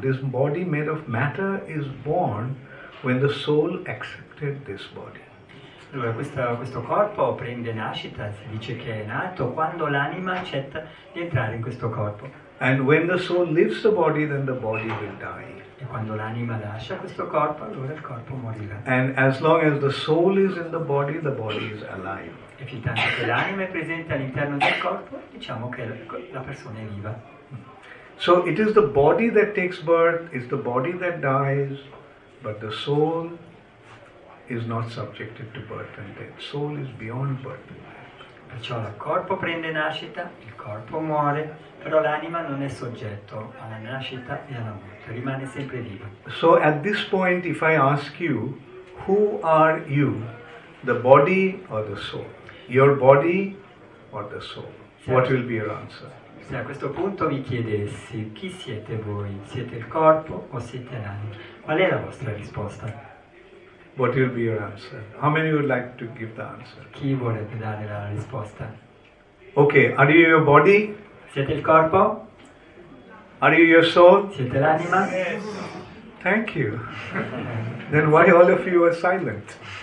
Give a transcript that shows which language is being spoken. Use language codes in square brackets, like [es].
[en] This body made of matter is born when the soul accepted this body. [it] Allora questo corpo prende nascita, si dice che è nato quando l'anima accetta di entrare in questo corpo. [en] And when the soul leaves the body, then the body will die. [it] E quando l'anima lascia questo corpo, allora il corpo morirà. [en] And as long as the soul is in the body is alive. [it] E fin tanto che l'anima è presente all'interno del corpo, diciamo che la persona è viva. [en] So it is the body that takes birth, it's the body that dies, but the soul is not subjected to birth and death. Soul is beyond birth and death. [it] Perciò il corpo prende nascita, il corpo muore, però l'anima non è soggetto alla nascita e alla morte, rimane sempre viva. [en] So at this point, if I ask you, who are you, the body or the soul? Your body or the soul? What will be your answer? [it] Se a questo punto vi chiedessi chi siete voi, siete il corpo o siete l'anima, qual è la vostra risposta? [en] What will be your answer? How many would like to give the answer? [it] Chi vorrebbe dare la risposta? [en] Okay, are you your body? [it] Siete il corpo? [en] Are you your soul? [it] Siete l'anima? [en] Yes. Thank you. Then why all of you are silent?